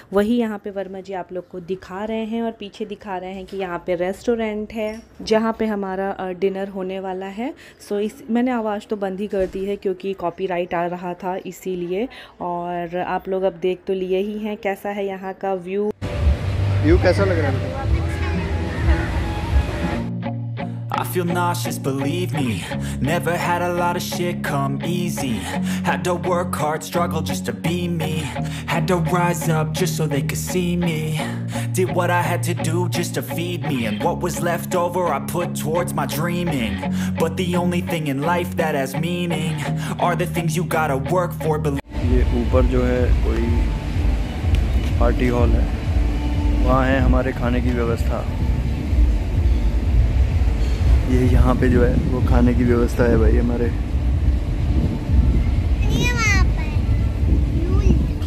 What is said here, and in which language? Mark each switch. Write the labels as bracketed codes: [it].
[hi] वही यहाँ पर वर्मा जी आप लोग को दिखा रहे हैं, और पीछे दिखा रहे हैं कि यहाँ पर रेस्टोरेंट है जहाँ पर हमारा डिनर होने वाला है। सो इस मैंने आवाज़ तो बंद ही कर दी है क्योंकि कॉपीराइट आ रहा था इसीलिए, और आप लोग अब देख तो लिए ही हैं कैसा है यहाँ का व्यू। व्यू कैसा लग रहा है? [en] I feel nauseous, believe me. Never had a lot of shit come easy. Had to work hard, struggle just to be me. Had to rise up just so they could see me. Did what I had to do just to feed me. And what was left over I put towards my dreaming. But the only thing in life that has meaning are the things you gotta work for. [hi] ये ऊपर जो है कोई party hall है, वहाँ है हमारे खाने की व्यवस्था। ये यहाँ पे जो है वो खाने की व्यवस्था है भाई हमारे। ये वहाँ पे